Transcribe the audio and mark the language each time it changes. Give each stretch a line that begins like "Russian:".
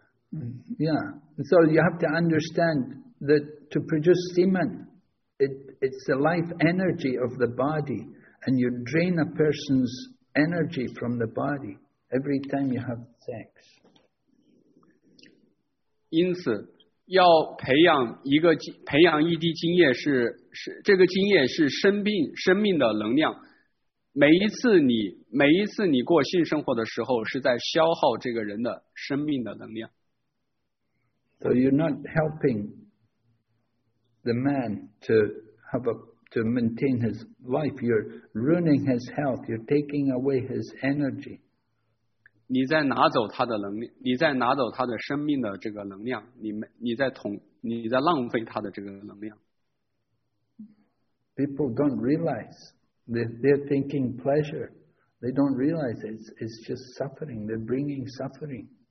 English: Yeah, so you have to understand that to produce semen, it's the life energy of the body, and you drain a person's energy from the body every time you have sex.
Chinese: 因此，要培养一滴精液是这个精液是生命的能量。每一次你过性生活的时候，是在消耗这个人的生命的能量。
English: So you're not helping the man to maintain his life. You're ruining his health. You're taking away his energy.
Chinese: 你在拿走他的能力，你在拿走他的生命的这个能量，你在浪费他的这个能量。
English: People don't realize. They're thinking pleasure. They don't realize it's just suffering. They're bringing suffering.